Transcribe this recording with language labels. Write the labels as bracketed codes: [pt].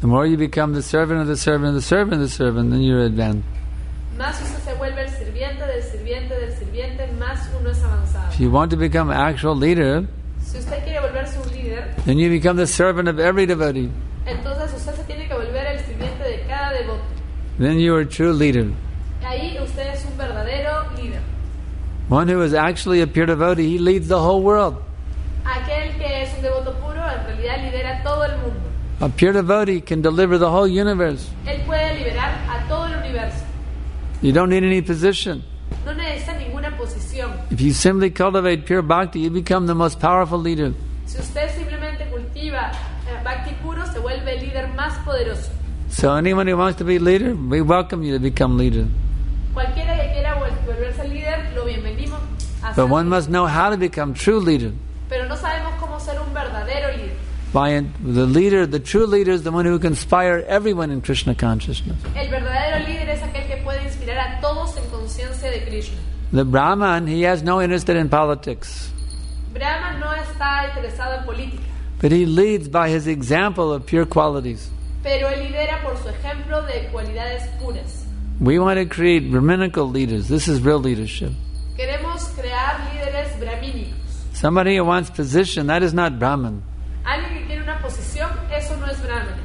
[en] The more you become the servant of the servant of the servant of the servant, then you're advanced. [es] Más uno se vuelve el sirviente del sirviente del sirviente, más uno es avanzado. [en] If you want to become actual leader, [es] si usted quiere volverse un líder, [en] then you become the servant of every devotee. [es] Entonces usted se tiene que volver el sirviente de cada devoto. [en] Then you are a true leader. [es] Ahí usted es un verdadero líder. [en] One who is actually a pure devotee, he leads the whole world. [es] Aquel que es un devoto puro, en realidad lidera todo el mundo. [en] A pure devotee can deliver the whole universe. [es] Él puede liberar a todo el universo. [en] You don't need any position. [es] No necesita ninguna posición. [en] If you simply cultivate pure bhakti, you become the most powerful leader. [es] Si usted simplemente cultiva bhakti puro, se vuelve el líder más poderoso. [en] So anyone who wants to be leader, we welcome you to become leader. [es] Cualquiera que quiera volverse líder, lo bienvenimos. [en] But one must know how to become true leader. [es] Pero no sabemos cómo ser un verdadero líder. [en] By the leader, the true leader is the one who can inspire everyone in Krishna consciousness. [es] El verdadero líder es aquel que puede inspirar a todos en conciencia de Krishna. [en] The Brahman, he has no interest in politics. [es] Brahman no está interesado en política. [en] But he leads by his example of pure qualities. [es] Pero él lidera por su ejemplo de cualidades puras. [en] We want to create brahminical leaders. This is real leadership. [es] Queremos crear líderes brahmínicos. [en] Somebody who wants position, that is not Brahman. [es] Alguien que quiere una posición, eso no es Brahman.